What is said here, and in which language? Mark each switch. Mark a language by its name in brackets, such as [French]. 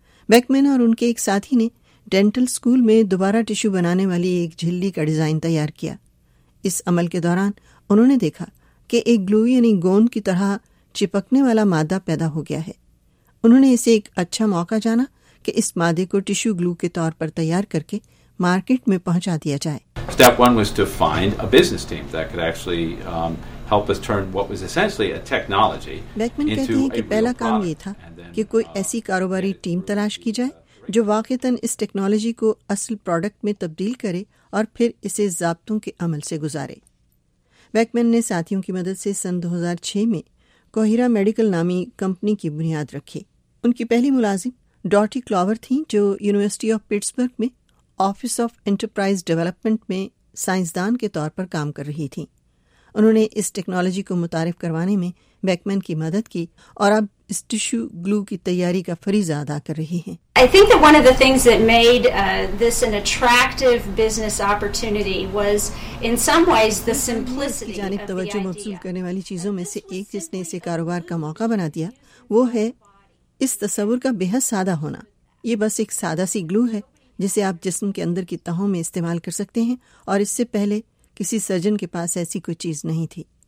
[Urdu] بیکمن اور ان کے ایک ساتھی نے ڈینٹل اسکول میں دوبارہ ٹشو بنانے والی ایک جھلی کا ڈیزائن تیار کیا. اس عمل کے دوران انہوں نے دیکھا کہ ایک گلو یعنی گوند کی طرح چپکنے والا مادہ پیدا ہو گیا ہے. انہوں نے اسے ایک اچھا موقع جانا کہ اس مادے کو ٹشو گلو کے طور پر تیار کر کے مارکیٹ میں پہنچا دیا جائے. [English] Step one was to find a business team that could actually help us turn what was essentially a technology into a real product. [Urdu] پہلا کام یہ تھا کہ کوئی ایسی کاروباری ٹیم تلاش کی جائے جو واقعتاً اس ٹیکنالوجی کو اصل پروڈکٹ میں تبدیل کرے اور پھر اسے ضابطوں کے عمل سے گزارے. بیکمن نے ساتھیوں کی مدد سے سن 2006 میں کوہیرا میڈیکل نامی کمپنی کی بنیاد رکھی. ان کی پہلی ملازم ڈارٹی کلاور تھیں جو یونیورسٹی آف پٹسبرگ میں آفس آف انٹرپرائز ڈیولپمنٹ میں سائنسدان کے طور پر کام کر رہی تھیں. انہوں نے اس ٹیکنالوجی کو متعارف کروانے میں بیکمن کی مدد کی اور اب اس ٹشو گلو کی تیاری کا فریضہ ادا کر رہی ہیں. [English] I think that one of the things that made this an attractive business opportunity was in some ways the simplicity. [Urdu] جانب توجہ مبذول کرنے والی چیزوں میں سے ایک جس نے اسے کاروبار کا موقع بنا دیا وہ ہے اس تصور کا بے حد سادہ ہونا. یہ بس ایک سادہ سی گلو ہے جسے آپ جسم کے اندر کی تہوں میں استعمال کر سکتے ہیں, اور اس سے پہلے کسی سرجن کے پاس ایسی کوئی چیز نہیں تھی.